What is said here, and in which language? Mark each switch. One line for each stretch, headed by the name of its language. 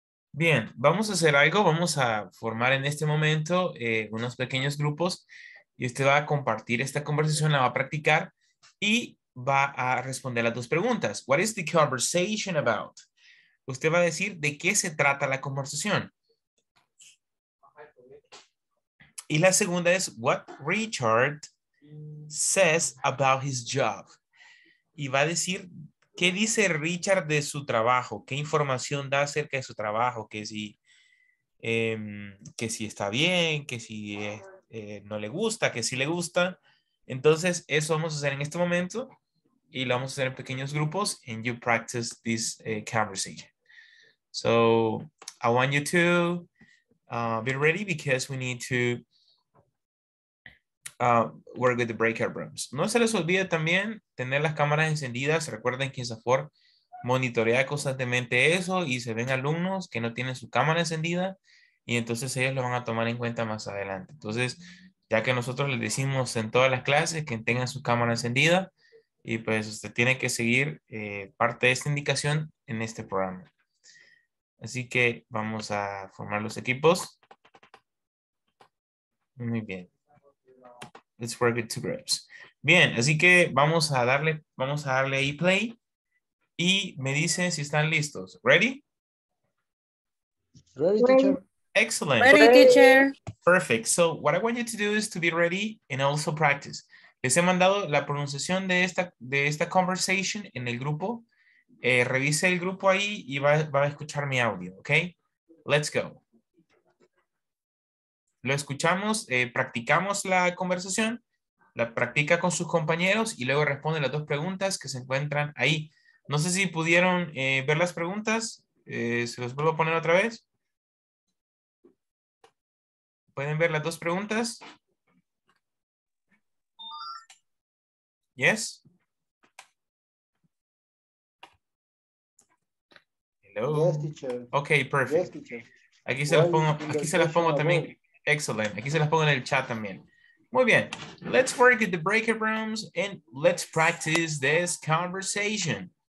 Spanish: Bien, vamos a hacer algo, vamos a formar en este momento unos pequeños grupos y usted va a compartir esta conversación, la va a practicar y va a responder las dos preguntas.
English: What is the conversation about?
Spanish: Usted va a decir de qué se trata la conversación. Y la segunda es
English: what Richard says about his job.
Spanish: Y va a decir... ¿Qué dice Richard de su trabajo? ¿Qué información da acerca de su trabajo? Que si está bien, que si es, no le gusta, que si le gusta. Entonces, eso vamos a hacer en este momento y lo vamos a hacer en pequeños grupos
English: and you practice this conversation. So, I want you to be ready because we need to work with the breakout rooms.
Spanish: No se les olvide también tener las cámaras encendidas. Recuerden que INSAFORP monitorea constantemente eso y se ven alumnos que no tienen su cámara encendida y entonces ellos lo van a tomar en cuenta más adelante. Entonces, ya que nosotros les decimos en todas las clases que tengan su cámara encendida y pues usted tiene que seguir parte de esta indicación en este programa. Así que vamos a formar los equipos. Muy bien.
English: Let's work with two groups.
Spanish: Bien, así que vamos a darle ahí play. Y me dicen si están listos.
English: Ready? Ready, teacher. Excellent. Ready, teacher. Perfect. So what I want you to do is to be ready and also practice.
Spanish: Les he mandado la pronunciación de esta conversation en el grupo. Revise el grupo ahí y va a escuchar mi audio,
English: okay? Let's go.
Spanish: Lo escuchamos, practicamos la conversación, la practica con sus compañeros y luego responde las dos preguntas que se encuentran ahí. No sé si pudieron ver las preguntas. Se los vuelvo a poner otra vez. ¿Pueden ver las dos preguntas?
English: Yes. Hello. Yes, teacher.
Spanish: Ok, perfecto.
English: Yes, teacher.
Spanish: Aquí se las pongo también.
English: Excellent.
Spanish: Aquí se las pongo en el chat también. Muy bien.
English: Let's work at the breakout rooms and let's practice this conversation.